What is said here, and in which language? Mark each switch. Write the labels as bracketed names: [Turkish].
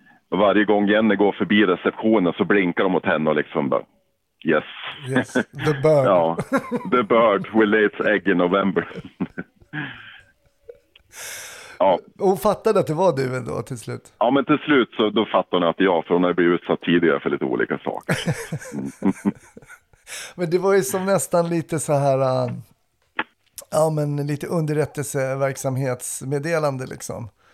[Swedish] Och varje gång Jenny går förbi receptionen så blinkar de mot henne och liksom bara, yes. [English] The bird. [Swedish] Ja, [English] the bird will lay its egg in November. [Swedish] Ja. Hon fattade att det var du ändå till slut. Ja, men till slut så då fattade hon att jag, för hon har blivit utsatt tidigare för lite olika saker. Men det var ju som nästan lite så här, ja men lite underrättelseverksamhetsmeddelande liksom.